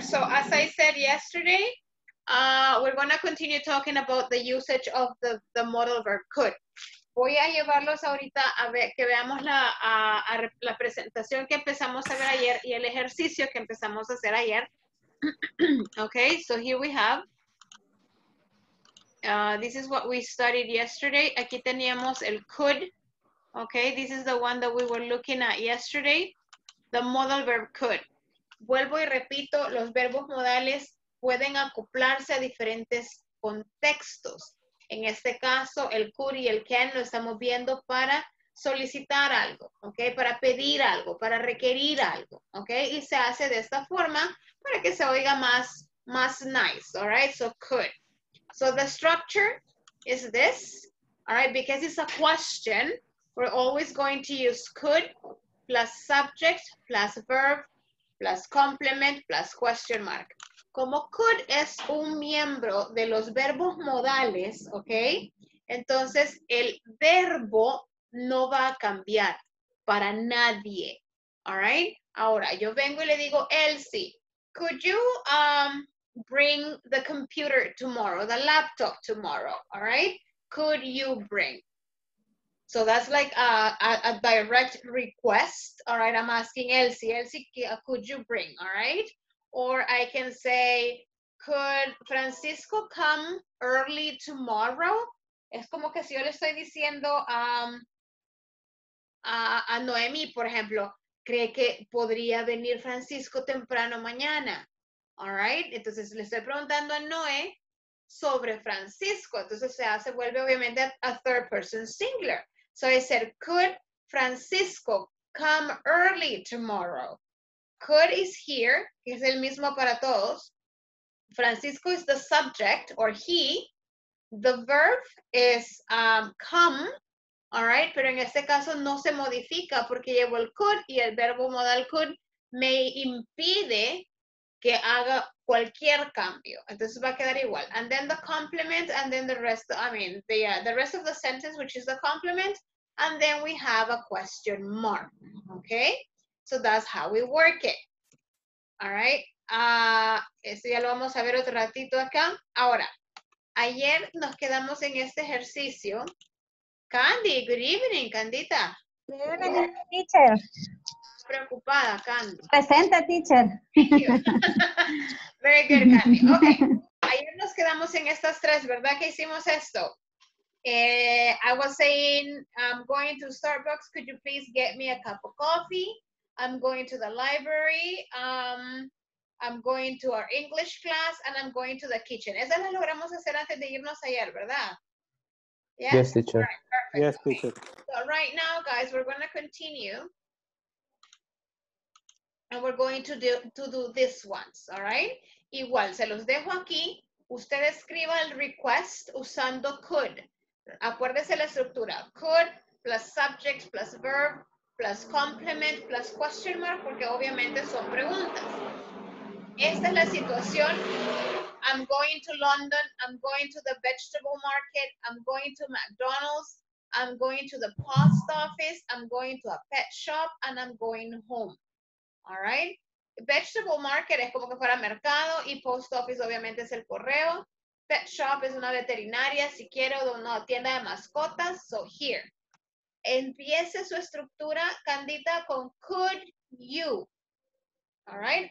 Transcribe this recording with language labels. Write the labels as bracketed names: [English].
[English] So as I said yesterday, we're going to continue talking about the usage of the modal verb could. [Spanish] Voy a llevarlos ahorita a ver que veamos la presentación que empezamos a ver ayer y el ejercicio que empezamos a hacer ayer. [English] Okay, so here we have. This is what we studied yesterday. [Spanish] Aquí teníamos el could. [English] Okay, this is the one that we were looking at yesterday. The modal verb could. [Spanish] Vuelvo y repito, los verbos modales pueden acoplarse a diferentes contextos. En este caso, el could y el can lo estamos viendo para solicitar algo, okay? Para pedir algo, para requerir algo, okay? Y se hace de esta forma para que se oiga más nice, [English] all right? So, could. So, the structure is this, all right? Because it's a question, we're always going to use could plus subject plus verb plus complement, plus question mark. [Spanish] Como could es un miembro de los verbos modales, ¿ok? Entonces, el verbo no va a cambiar para nadie, [English] ¿all right? [Spanish] Ahora, yo vengo y le digo, [English] Elsie, could you bring the computer tomorrow, the laptop tomorrow, ¿all right? Could you bring? So that's like a direct request, all right? I'm asking Elsie, Elsie, could you bring, all right? Or I can say, could Francisco come early tomorrow? [Spanish] Es como que si yo le estoy diciendo a Noemi, por ejemplo, cree que podría venir Francisco temprano mañana, [English] all right? [Spanish] Entonces le estoy preguntando a Noé sobre Francisco. Entonces se vuelve obviamente a third person singular. [English] So I said, could Francisco come early tomorrow? Could is here, [Spanish] que es el mismo para todos. [English] Francisco is the subject, or he. The verb is come, all right? [Spanish] Pero en este caso no se modifica porque llevo el could y el verbo modal could me impide que haga cualquier cambio. Entonces va a quedar igual. [English] And then the complement, and then the rest of the sentence, which is the complement. And then we have a question mark, okay? So that's how we work it, all right? [Spanish] Esto ya lo vamos a ver otro ratito acá. Ahora, ayer nos quedamos en este ejercicio. Candy, [English] good evening, [Spanish] Candita. [English] Teacher. [Spanish] Preocupada, Candy. Presente, teacher. [English] Very good, [Spanish] Candy. Okay. Ayer nos quedamos en estas tres, ¿verdad? Que hicimos esto. [English] I was saying, I'm going to Starbucks. Could you please get me a cup of coffee? I'm going to the library. I'm going to our English class. And I'm going to the kitchen. [Spanish] Esa la logramos hacer antes de irnos ayer, ¿verdad? [English] Yes, yes, teacher. Right, yes, teacher. Okay. So right now, guys, we're going to continue. And we're going to do this once, all right? [Spanish] Igual, se los dejo aquí. Usted escriba el request usando could. Acuérdese la estructura. [English] Could plus subject plus verb plus complement plus question mark, [Spanish] porque obviamente son preguntas. Esta es la situación. [English] I'm going to London, I'm going to the vegetable market, I'm going to McDonald's, I'm going to the post office, I'm going to a pet shop, and I'm going home. All right? [Spanish] Vegetable market es como que fuera mercado, y post office obviamente es el correo. Pet shop es una veterinaria, si quiero, o no, tienda de mascotas, so here. Empiece su estructura, Candita, con [English] could you. All right?